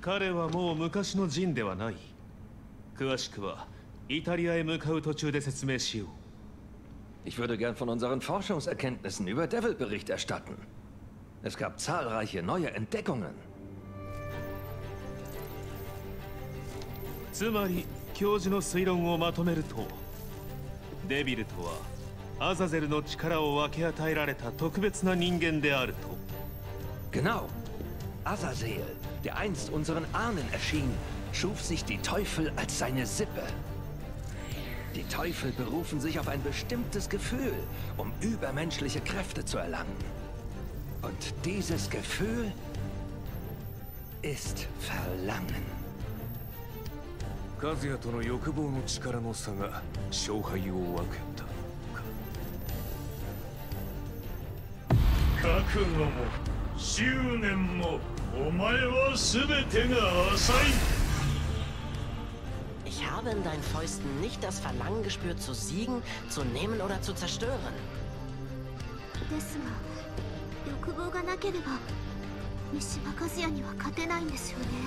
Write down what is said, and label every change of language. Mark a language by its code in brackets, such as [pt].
[ja] はもう昔のジンではない。詳しくはイタリアへ向かう途中で説明しよう。 [de] Ich würde gern von unseren Forschungserkenntnissen über Devil Bericht erstatten. Es gab zahlreiche neue Entdeckungen. [ja] つまり教授の推論をまとめると、デビルとはアザゼルの力を分け与えられた特別な人間であると。 [de] Genau. Azazel. Der einst unseren Ahnen erschien, schuf sich die Teufel als seine Sippe. Die Teufel berufen sich auf ein bestimmtes Gefühl, um übermenschliche Kräfte zu erlangen. Und dieses Gefühl ist Verlangen. [ja] Kazuya との欲望の力の差が勝敗を分けたか。覚悟も執念も。お前は全てが浅い。 [de] Ich habe in deinen Fäusten nicht das Verlangen gespürt zu siegen, zu nehmen oder zu zerstören. [ja] ですが、欲望がなければ三島和也には勝てないんですよね。